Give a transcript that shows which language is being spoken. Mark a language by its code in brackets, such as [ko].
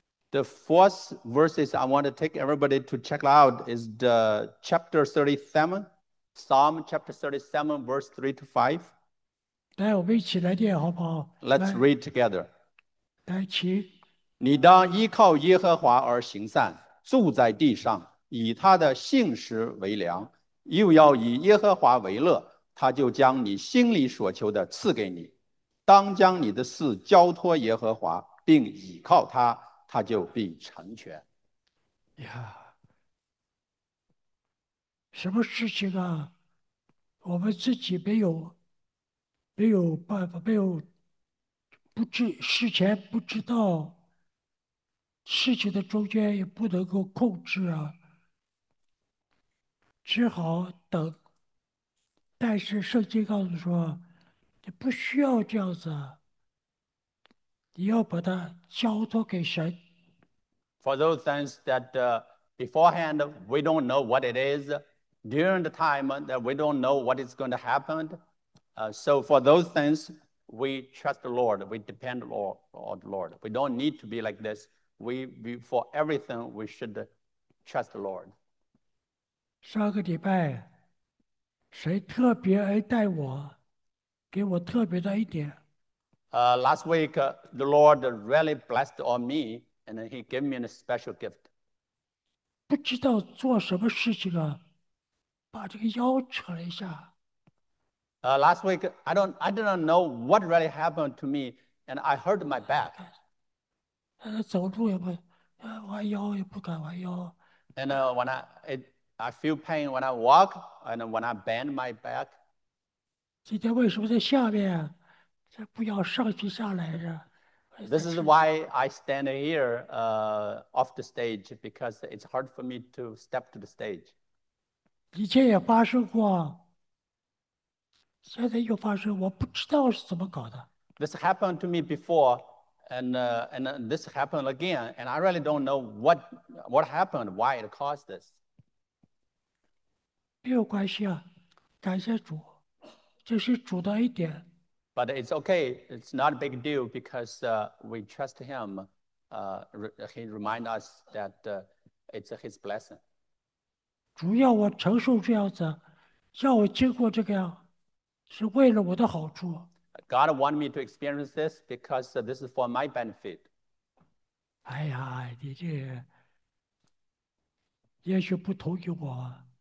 [en] The fourth verses I want to take everybody to check out is the chapter 37, Psalm chapter 37, verse 3 to 5. [zh] 来，我们一起来念好不好？ [en] Let's [zh] 来， [en] read together. [zh] 来，请。你当依靠耶和华而行善，住在地上，以他的信实为粮，又要以耶和华为乐，他就将你心里所求的赐给你。当将你的事交托耶和华，并倚靠他。他就必成全。呀，什么事情啊？我们自己没有办法，没有不知事前不知道，事情的中间也不能够控制啊，只好等。但是圣经告诉说，你不需要这样子，你要把它交托给神。 [en] For those things that beforehand we don't know what it is, during the time that we don't know what is going to happen. So for those things, we trust the Lord, we depend on the Lord. We don't need to be like this. We for everything, we should trust the Lord. [zh] 上个礼拜，谁特别恩待我，给我特别的一点。 [en] Last week, the Lord really blessed on me. And then he gave me a special gift. [zh] 不知道做什么事情啊，把这个腰扯了一下。 [en] Last week, I didn't know what really happened to me, and I hurt my back. [zh] 走路也不，弯腰也不敢弯腰。 [en] And when I feel pain when I walk and when I bend my back. [zh] 今天为什么在下面？这不要上去下来着？ [en] This is why I stand here off the stage because it's hard for me to step to the stage. [zh] 以前也发生过，现在又发生，我不知道是怎么搞的。 [en] This happened to me before, and this happened again, and I really don't know what happened, why it caused this. [zh] 没有关系啊，感谢主。这是主的一点。 [en] But it's okay. It's not a big deal because we trust him. He remind us that it's his blessing. [zh] 主要我承受这样子，要我经过这个样，是为了我的好处。 [en] God want me to experience this because this is for my benefit. [zh] 哎呀，你这，也许不同意我，